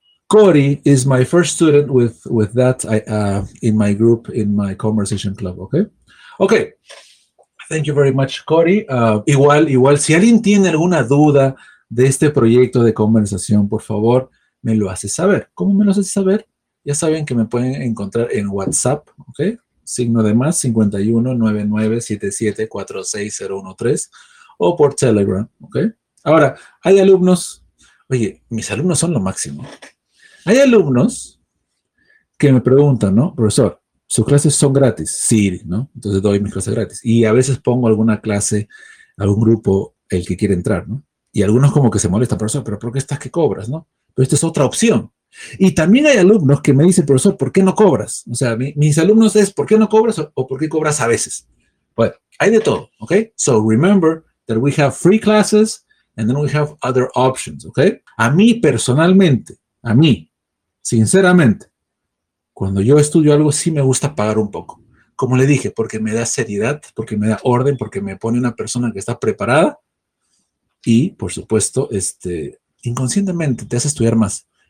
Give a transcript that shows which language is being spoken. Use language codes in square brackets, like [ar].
[en] Cory is my first student with that in my group, in my conversation club, okay? Okay. Thank you very much, Cory. [es] Igual, si alguien tiene alguna duda de este proyecto de conversación, por favor, me lo hace saber. ¿Cómo me lo hace saber? Ya saben que me pueden encontrar en WhatsApp, ¿ok? Signo de más, 51-99-77-46013, o por Telegram, ¿ok? Ahora, hay alumnos, oye, mis alumnos son lo máximo. Hay alumnos que me preguntan, ¿no? Profesor, ¿sus clases son gratis? Sí, ¿no? Entonces doy mis clases gratis. Y a veces pongo alguna clase, algún grupo, el que quiere entrar, ¿no? Y algunos como que se molestan, profesor, pero ¿por qué estás que cobras, no? Pero esta es otra opción. Y también hay alumnos que me dicen, profesor, ¿por qué no cobras? O sea, mis alumnos es, ¿por qué no cobras o por qué cobras a veces? Bueno, hay de todo, ¿ok? [en] So remember that we have free classes and then we have other options, ¿ok? [es] A mí personalmente, a mí, sinceramente, cuando yo estudio algo, sí me gusta pagar un poco. Como le dije, porque me da seriedad, porque me da orden, porque me pone una persona que está preparada. Y, por supuesto, inconscientemente te hace estudiar más.